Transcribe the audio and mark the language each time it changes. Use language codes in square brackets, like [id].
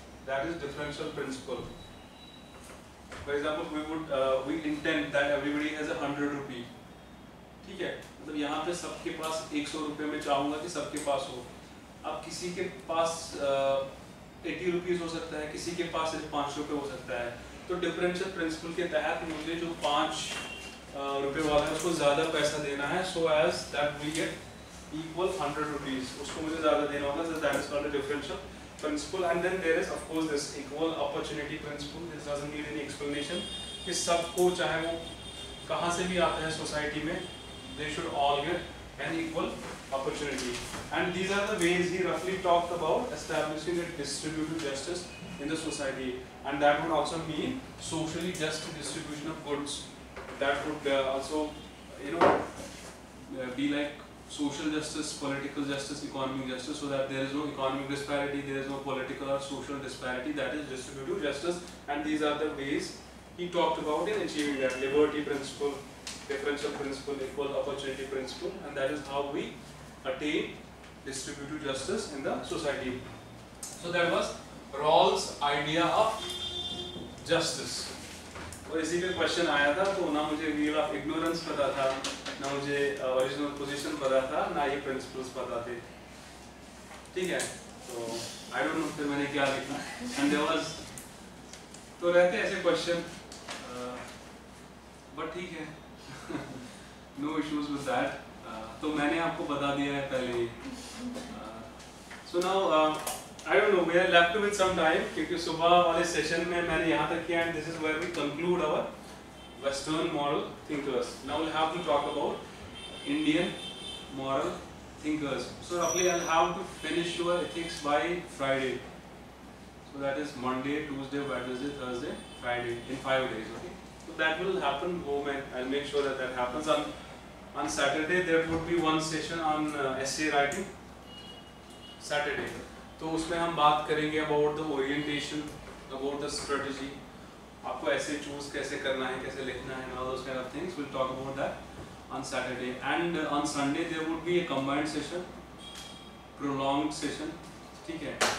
[en] That is differential principle. For example, we intend that everybody has 100 rupees. [hi] ठीक है, मतलब यहाँ पे सबके पास 100 रुपए में चाहूँगा कि सबके पास हो. अब किसी के पास 80 रुपीस हो सकता है, किसी के पास सिर्फ 5 रुपए हो सकता है. तो differential principle के तहत मुझे जो 5 रुपए वाला है उसको ज़्यादा पैसा देना है, [en] so as that we get equal 100 rupees. [hi] उसको मुझे ज़्यादा देना होगा, [en] so that is called a differential principle. And then there is of course this equal opportunity principle. This doesn't need any explanation. [hi] कि सबको चाहे वो कहाँ से भी आते हैं society में, [en] they should all get an equal opportunity. And these are the ways he roughly talked about establishing a distributive justice in the society. And that would also mean socially just distribution of goods. That would also, you know, be like social justice, political justice, economic justice, so that there is no economic disparity, there is no political or social disparity. That is distributive justice, and these are the ways he talked about in achieving that: liberty principle, differential principle, equal opportunity principle, and that is how we attain distributive justice in the society. So that was Rawls' idea of justice. [hi] और इसी पे question आया था, तो ना मुझे wheel of ignorance पता था, ना मुझे ओरिजिनल पोजीशन पता था, ना ये प्रिंसिपल्स पता थे. ठीक है, तो [en] I don't know [hi] फिर मैंने क्या लिखा. [en] and there was, [hi] तो रहते ऐसे क्वेश्चन, बट ठीक है, [en] No issues with that. [hi] तो मैंने आपको बता दिया है पहले. [en] so now I don't know, we are left with some time, [hi] क्योंकि सुबह वाले [en] session [hi] में मैंने यहाँ तक किया, [en] and this is where we conclude our Western moral thinkers. Now we'll have to talk about Indian moral thinkers. So roughly I'll have to finish your ethics by Friday. So that is Monday, Tuesday, Wednesday, Thursday, Friday in 5 days, okay? So that will happen home and I'll make sure that that happens. On Saturday there would be one session on essay writing. Saturday. [hi] तो उसमें हम बात करेंगे [en] about the orientation, about the strategy, [hi] आपको ऐसे choose कैसे करना है, कैसे लिखना है, [en] All those kind of things. We will talk about that on Saturday. And on Sunday there would be a combined session, prolonged session, [hi] ठीक है.